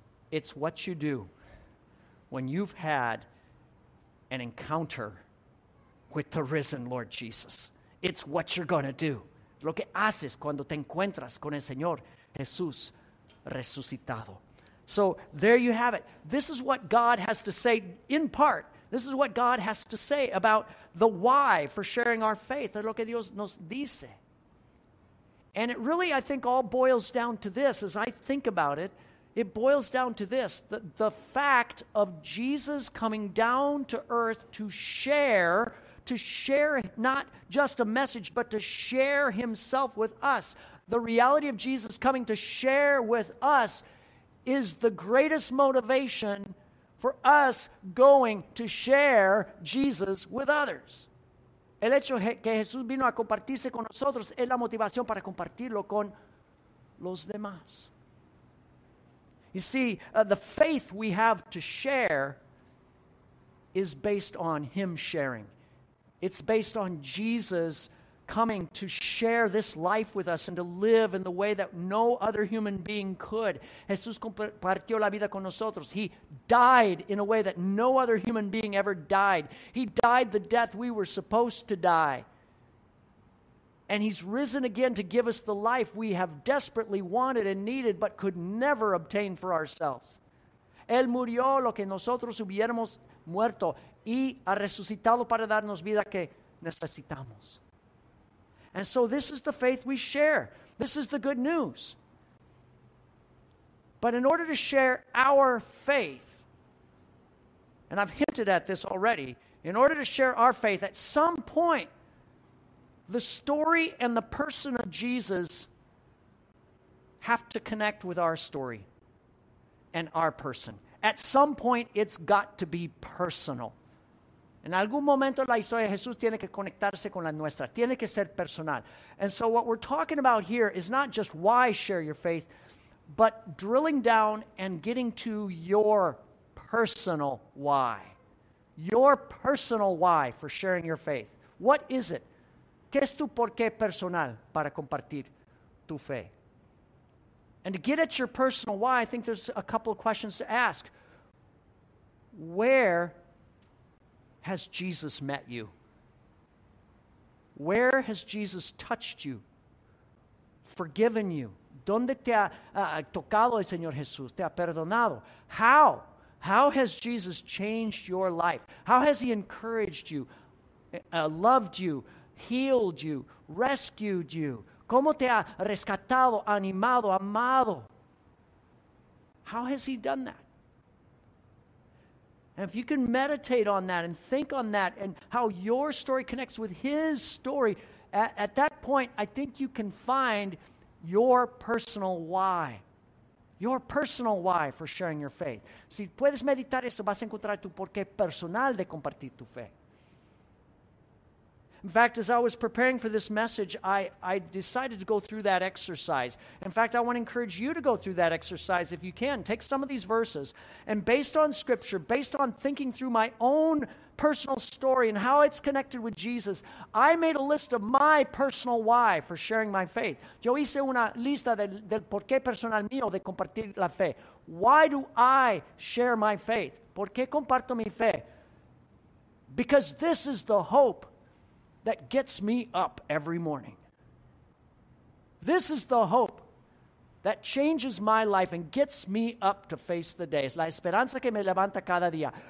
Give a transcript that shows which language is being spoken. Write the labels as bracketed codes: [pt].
[en] It's what you do when you've had an encounter with the risen Lord Jesus. It's what you're going to do. [es] Lo que haces cuando te encuentras con el Señor Jesús resucitado. [en] So there you have it. This is what God has to say in part. This is what God has to say about the why for sharing our faith. [es] Es lo que Dios nos dice. [en] And it really, I think, all boils down to this. As I think about it, it boils down to this. The fact of Jesus coming down to earth to share not just a message, but to share himself with us. The reality of Jesus coming to share with us is the greatest motivation for us going to share Jesus with others. [es] El hecho que Jesús vino a compartirse con nosotros es la motivación para compartirlo con los demás. [en] You see, the faith we have to share is based on him sharing. It's based on Jesus coming to share this life with us and to live in the way that no other human being could. [es] Jesús compartió la vida con nosotros. [en] He died in a way that no other human being ever died. He died the death we were supposed to die. And he's risen again to give us the life we have desperately wanted and needed but could never obtain for ourselves. [es] Él murió lo que nosotros hubiéramos muerto y ha resucitado para darnos vida que necesitamos. [en] And so this is the faith we share. This is the good news. But in order to share our faith, and I've hinted at this already, in order to share our faith, at some point, the story and the person of Jesus have to connect with our story and our person. At some point, it's got to be personal. [es] En algún momento la historia de Jesús tiene que conectarse con la nuestra. Tiene que ser personal. [en] And so what we're talking about here is not just why share your faith, but drilling down and getting to your personal why. Your personal why for sharing your faith. What is it? [es] ¿Qué es tu por qué personal para compartir tu fe? [en] And to get at your personal why, I think there's a couple of questions to ask. Where has Jesus met you? Where has Jesus touched you? Forgiven you? [es] ¿Dónde te ha tocado el Señor Jesús? ¿Te ha perdonado? [en] How? How has Jesus changed your life? How has he encouraged you, loved you, healed you, rescued you? [es] ¿Cómo te ha rescatado, animado, amado? [en] How has he done that? And if you can meditate on that and think on that and how your story connects with his story, at that point, I think you can find your personal why for sharing your faith. [es] Si puedes meditar eso, vas a encontrar tu porqué personal de compartir tu fe. [en] In fact, as I was preparing for this message, I decided to go through that exercise. In fact, I want to encourage you to go through that exercise if you can. Take some of these verses, and based on Scripture, based on thinking through my own personal story and how it's connected with Jesus, I made a list of my personal why for sharing my faith. [es] Yo hice una lista del por qué personal mío de compartir la fe. [en] Why do I share my faith? [es] ¿Por qué comparto mi fe? [en] Because this is the hope that gets me up every morning. This is the hope that changes my life and gets me up to face the day. [es] Es la esperanza que me levanta cada día.